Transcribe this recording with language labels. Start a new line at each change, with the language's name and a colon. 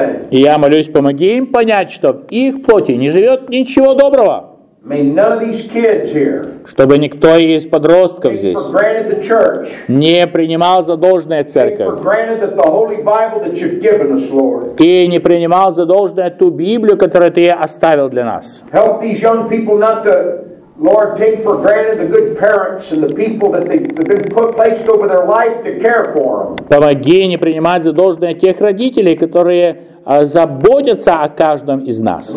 Russian: И я молюсь, помоги им понять, что в их плоти не живет ничего доброго. Чтобы никто из подростков здесь не принимал за должное церковь и не принимал за должное ту Библию, которую Ты оставил для нас.
English: Help these young people not to, Lord, take for granted the good parents and the people that they've been put placed over their life to care for them.
Russian: Помоги не принимать за должное тех родителей, которые заботятся о каждом из нас.